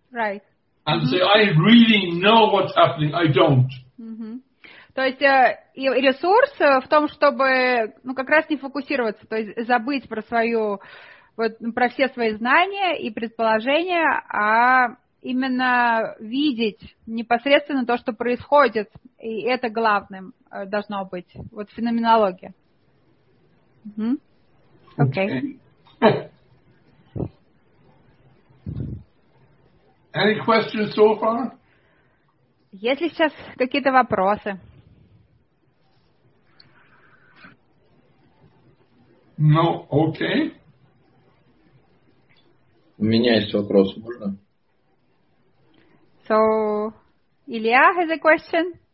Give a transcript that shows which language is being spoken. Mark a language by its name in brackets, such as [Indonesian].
[English] Right. And mm-hmm. say, I really know what's happening, I don't. [Russian] То есть ресурс в том, чтобы, ну, как раз не фокусироваться, то есть забыть про свою, вот, про все свои знания и предположения, а именно видеть непосредственно то, что происходит, и это главным должно быть, вот феноменология. Окей. [English] Any questions so far? [Russian] Есть ли сейчас какие-то вопросы? Ну, окей. У меня есть вопрос, можно? [English] So, Илья has a question?